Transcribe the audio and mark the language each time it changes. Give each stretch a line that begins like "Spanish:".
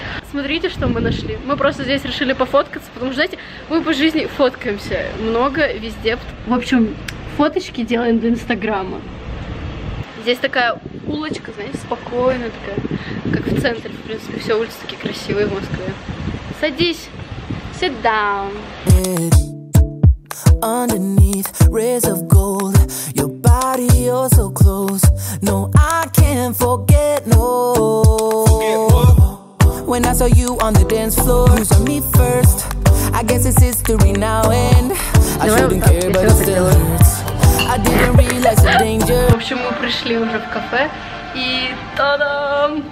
Russian: Смотрите, что мы нашли. Мы просто здесь решили пофоткаться, потому что, знаете, мы по жизни фоткаемся много, везде. В общем, фоточки делаем для Инстаграма. Здесь такая улочка, знаете, спокойная такая, как в центре, в принципе, все улицы такие красивые в Москве. Садись,
English: sit down. Underneath rays of gold, your body you're so close. No, I can't forget, no. When I saw you on the dance floor, you saw me first. I guess it's history now, and I shouldn't care, but it still hurts. I didn't realize the danger.
Russian: В общем, мы пришли уже в кафе, и та-дам!